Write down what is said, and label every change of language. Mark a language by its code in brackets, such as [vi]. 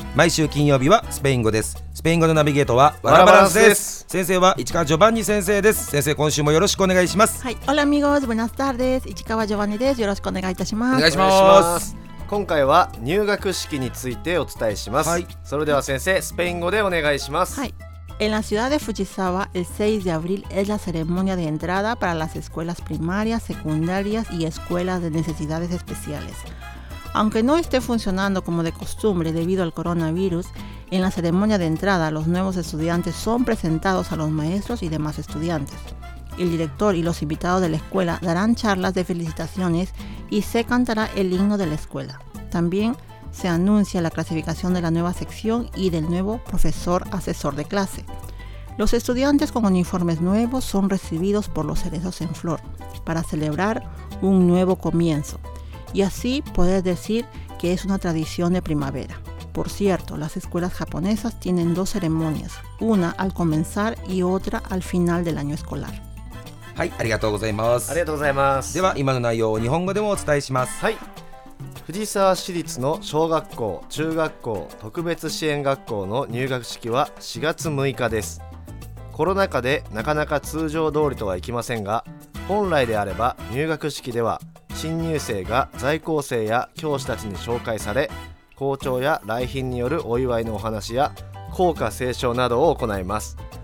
[ja] 毎週金曜日はスペイン語です。スペイン語のナビゲートはワラバランスです。先生は市川ジョバンニ先生です。先生、今週もよろしくお願いします。はい、オラミゴーズブナスターです。市川ジョバンニです。よろしくお願いいたします。お願いします。今回は入学式についてお伝えします。はい、それでは先生、スペイン語でお願いします。 [es] はい、En la ciudad de Fujisawa, el 6 de abril es la ceremonia de entrada para las escuelas primarias, secundarias y escuelas de necesidades especiales. Aunque no esté funcionando como de costumbre debido al coronavirus, en la ceremonia de entrada los nuevos estudiantes son presentados a los maestros y demás estudiantes. El director y los invitados de la escuela darán charlas de felicitaciones y se cantará el himno de la escuela. También se anuncia la clasificación de la nueva sección y del nuevo profesor asesor de clase. Los estudiantes con uniformes nuevos son recibidos por los cerezos en flor para celebrar un nuevo comienzo y así poder decir que es una tradición de primavera. Por cierto, las escuelas japonesas tienen dos ceremonias, una al comenzar y otra al final del año escolar. [ja] はい、ありがとうございます。ありがとうございます。では、今の内容を日本語でもお伝えします。はい。藤沢市立の小学校、中学校、特別支援学校の入学式は4月6日です。コロナ禍でなかなか通常通りとはいきませんが、本来であれば入学式では新入生が在校生や教師たちに紹介され、校長や来賓によるお祝いのお話や校歌斉唱などを行います。